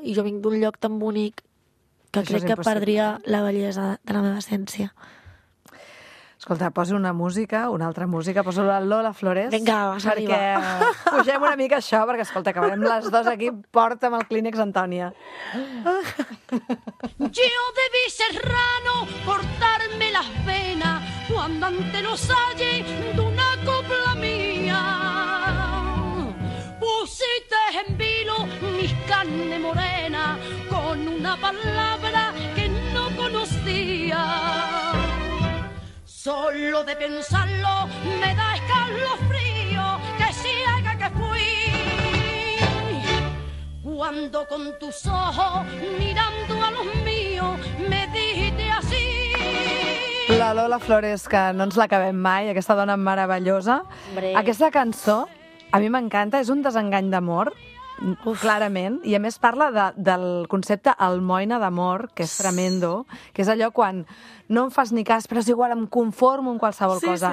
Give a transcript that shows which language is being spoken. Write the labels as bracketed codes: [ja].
[ca] I jo vinc d'un lloc tan bonic que això crec que perdria la bellesa de la meva essència. Escolta, poso una música, una altra música, poso la Lola Flores. Vinga, vas a arribar. Perquè pugem una mica això, perquè, escolta, acabarem les dues aquí, porta'm el Clínex Antònia. [es] Yo debí serrano cortarme las venas cuando ante los halles de una copla mía pusiste en vilo mis carnes morenas con una palabra que no conocía. Solo de pensarlo me da escalofrío, que ciega que fui. Cuando con tus ojos mirando a los míos me dijiste así. [ca] La Lola Flores, que no ens l'acabem mai, aquesta dona meravellosa. [es] Hombre. [ca] Aquesta cançó, a mi m'encanta, és un desengany d'amor. Uf. Clarament, i a més parla del concepte almoina d'amor, que és tremendo, que és allò quan no em fas ni cas, però és igual, em conformo amb qualsevol cosa.